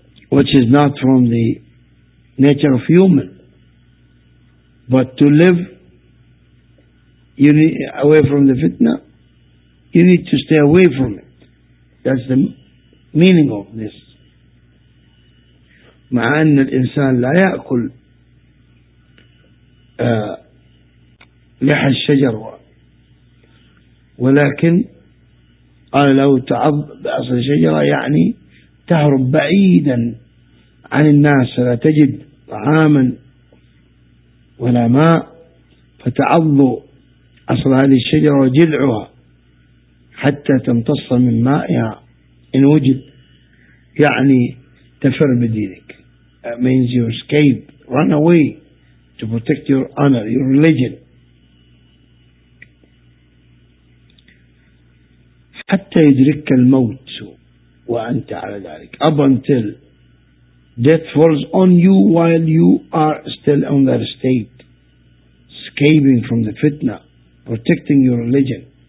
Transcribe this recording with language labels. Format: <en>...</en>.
<en>which is not from the nature of human, but to live you need, away from the fitna, you need to stay away from it. That's the meaning of this.</en> <ar>مع أن الإنسان لا يأكل لح الشجر ولكن قال لو تعض بأصل الشجرة يعني تهرب بعيدا عن الناس فلا تجد طعاما ولا ماء فتعض أصل هذه الشجرة وجذعها حتى تمتص من مائها إن وجد، يعني تفر بدينك.</ar> <en>That means you escape, run away to protect your honor, your religion.</en> <ar>حتى يدرك الموت وأنت على ذلك.</ar> <en>Up until death falls on you while you are still on that state, escaping from the fitna, protecting your religion.</en>